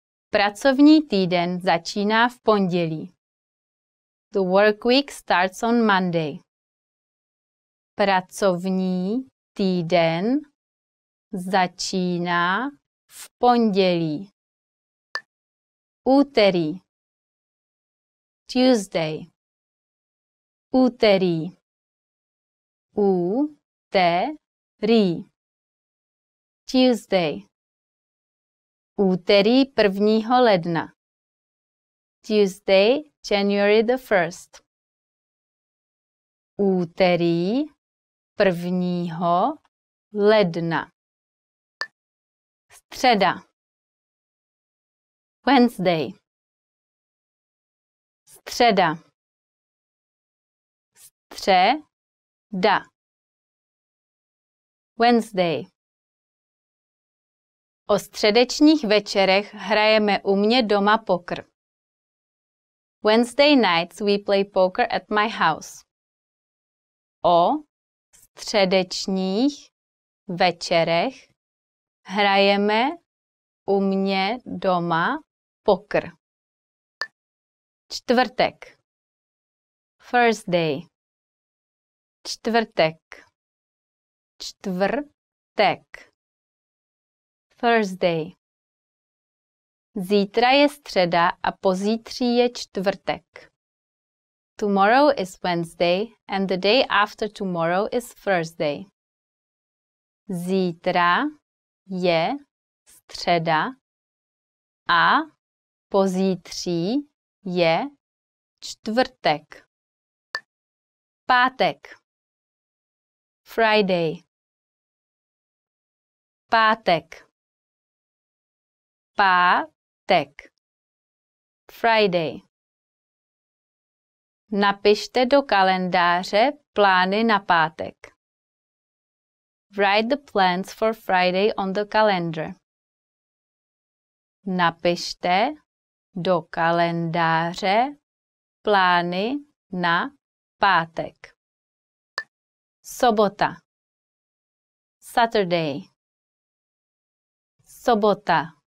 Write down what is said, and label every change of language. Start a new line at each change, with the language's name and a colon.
Czech: Pracovní týden začíná v pondělí.
English: The work week starts on Monday.
Czech: Pracovní týden začíná v pondělí. Úterý.
English: Tuesday.
Czech: Úterý. Úterý.
English: Tuesday.
Czech: Úterý 1. ledna.
English: Tuesday, January the 1st.
Czech: Úterý 1. ledna. Středa.
English: Wednesday.
Czech: Středa. Středa.
English: Wednesday.
Czech: O středečních večerech hrajeme u mě doma poker.
English: Wednesday nights we play poker at my house.
Czech: O středečních večerech hrajeme u mě doma poker. Čtvrtek.
English: Thursday.
Czech: Čtvrtek. Čtvrtek.
English: Thursday.
Czech: Zítra je středa a pozítří je čtvrtek.
English: Tomorrow is Wednesday and the day after tomorrow is Thursday.
Czech: Zítra je středa a Pozítří je čtvrtek. Pátek.
English: Friday.
Czech: Pátek. Pátek.
English: Friday.
Czech: Napište do kalendáře plány na pátek.
English: Write the plans for Friday on the calendar.
Czech: Napište do kalendáře plány na pátek. Sobota.
English: Saturday.
Czech: Sobota.